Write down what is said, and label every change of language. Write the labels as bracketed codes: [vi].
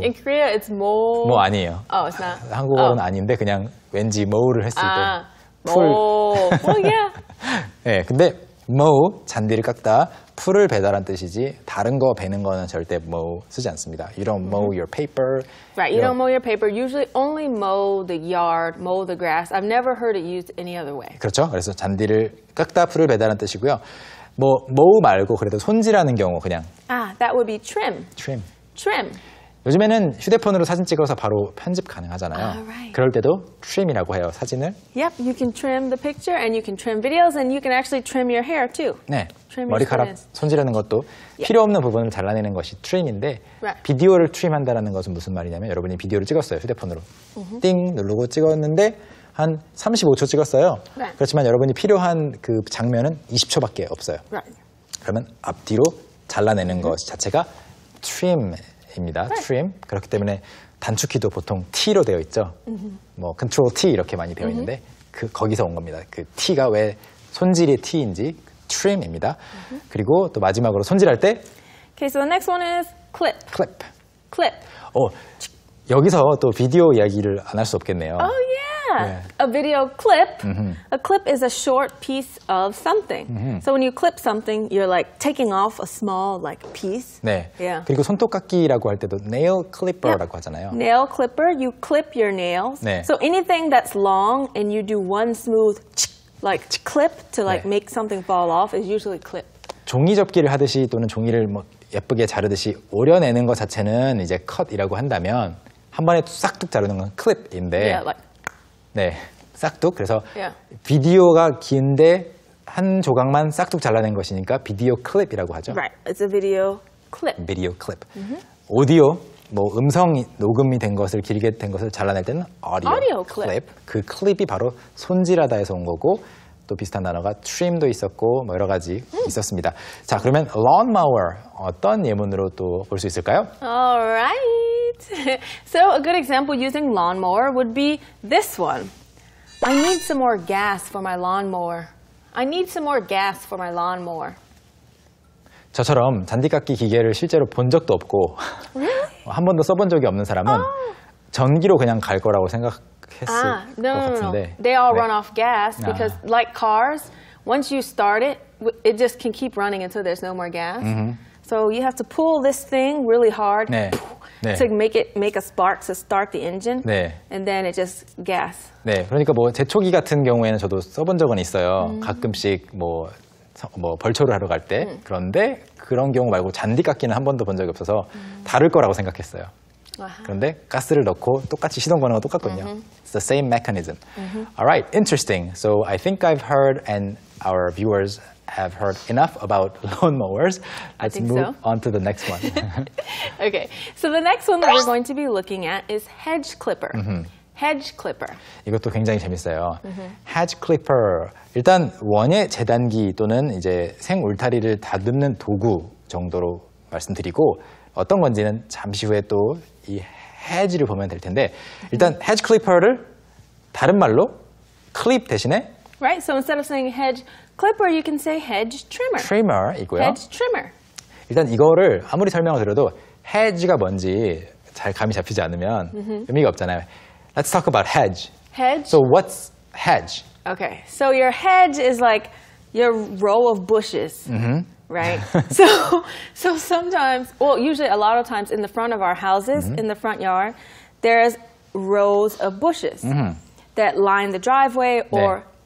[en] In Korea, it's mow. [ko] 뭐 아니에요. [en] Oh, it's not. [ko] 한국어는 아닌데 그냥 왠지 mow를 했을 때. [en] Mow. Oh, yeah. [ko] 네, 근데 mow, 잔디를 깎다, 풀을 배달한 뜻이지 다른 거 베는 거는 절대 mow 쓰지 않습니다. [en] You don't mow your paper. Right, you don't mow your paper. Usually only mow the yard, mow the grass. I've never heard it used any other way. [ko] 그렇죠. 그래서 잔디를 깎다, 풀을 배달한 뜻이고요. 뭐 mow 말고 그래도 손질하는 경우 그냥 [en] that would be trim. Trim. Trim. [ko] 요즘에는 휴대폰으로 사진 찍어서 바로 편집 가능하잖아요. [en] Right. [ko] 그럴 때도 trim이라고 해요, 사진을. [en] Yep, you can trim the picture and you can trim videos and you can actually trim your hair too. [ko] 네. Trim 머리카락 손질하는 것도 [en] yep. [ko] 필요 없는 부분을 잘라내는 것이 trim인데 [en] right. [ko] 비디오를 trim 한다라는 것은 무슨 말이냐면 여러분이 비디오를 찍었어요, 휴대폰으로. 띵 누르고 찍었는데 한 35초 찍었어요. [en] Right. [ko] 그렇지만 여러분이 필요한 그 장면은 20초밖에 없어요. [en] Right. [ko] 그러면 앞뒤로 잘라내는 것 자체가 trim입니다. [en] Right. trim. [ko] 그렇기 때문에 단축키도 보통 T로 되어 있죠. 뭐 Ctrl T 이렇게 많이 되어 있는데 거기서 온 겁니다. 그 T가 왜 손질이 T인지 trim입니다. 그리고 또 마지막으로 손질할 때 [en] Okay, so the next one is clip. clip. clip. [ko] 여기서 또 비디오 이야기를 안 할 수 없겠네요. [en] Oh, yeah. Yeah. A video clip. A clip is a short piece of something. So when you clip something, you're like taking off a small like piece. [ko] 네. [en] Yeah. [ko] 그리고 손톱깎이라고 할 때도 nail clipper라고 하잖아요. [en] Nail clipper, you clip your nails. [ko] 네. [en] So anything that's long and you do one smooth like clip to like [ko] 네. [en] make something fall off is usually clip. [ko] 종이 접기를 하듯이 또는 종이를 뭐 예쁘게 자르듯이 오려내는 것 자체는 이제 cut이라고 한다면 한 번에 싹둑 자르는 건 clip인데. [en] Yeah, like [ko] 네, 싹둑. 그래서 [en] yeah. [ko] 비디오가 긴데 한 조각만 싹둑 잘라낸 것이니까 비디오 클립이라고 하죠. [en] Right, it's a video clip. Video clip. Mm-hmm. [ko] 오디오, 뭐 음성 녹음이 된 것을 길게 된 것을 잘라낼 때는 audio, [en] audio clip. clip. [ko] 그 clip이 바로 손질하다에서 온 거고 또 비슷한 단어가 trim도 있었고 뭐 여러 가지 있었습니다. 자, 그러면 lawnmower 어떤 예문으로 또 볼 수 있을까요? [en] All right. So a good example using lawnmower would be this one. I need some more gas for my lawnmower. I need some more gas for my lawnmower. [ko] 저처럼 잔디깎기 기계를 실제로 본 적도 없고 [en] really? [ko] 한 번도 써본 적이 없는 사람은 [en] oh. [ko] 전기로 그냥 갈 거라고 생각했을 것 같은데. [en] No. They all [ko] 네. [en] run off gas because like cars, once you start it, it just can keep running until there's no more gas. Mm-hmm. So you have to pull this thing really hard [ko] 네. [en] to make it make a spark to start the engine. [ko] 네. [en] And then it just gas. [ko] 네. 그러니까 뭐 제초기 같은 경우에는 저도 써본 적은 있어요. Mm-hmm. 가끔씩 뭐 벌초를 하러 갈 때 그런데 그런 경우 말고 잔디깎기는 한 번도 본 적이 없어서 다를 거라고 생각했어요. 그런데 가스를 넣고 똑같이 시동 거는 건 똑같거든요. [en] It's the same mechanism. Alright, interesting. So I think I've heard and our viewers have heard enough about lawnmowers. Let's move on to the next one. Okay, so the next one that we're going to be looking at is hedge clipper. Hedge clipper. [ko] 이것도 굉장히 재밌어요. Hedge clipper. 일단 원예 재단기 또는 이제 생 울타리를 다듬는 도구 정도로 말씀드리고 어떤 건지는 잠시 후에 또 이 hedge를 보면 될 텐데 일단 hedge clipper를 다른 말로 clip 대신에 [en] right. So instead of saying hedge clipper, you can say hedge trimmer. [ko] Trimmer이고요. [en] Hedge trimmer. [ko] 일단 이거를 아무리 설명을 드려도 hedge가 뭔지 잘 감이 잡히지 않으면 의미가 없잖아요. [en] Let's talk about hedge. Hedge? So what's hedge? Okay, so your hedge is like your row of bushes, right? So sometimes, well, usually a lot of times in the front of our houses, in the front yard, there's rows of bushes that line the driveway or [ko] 네.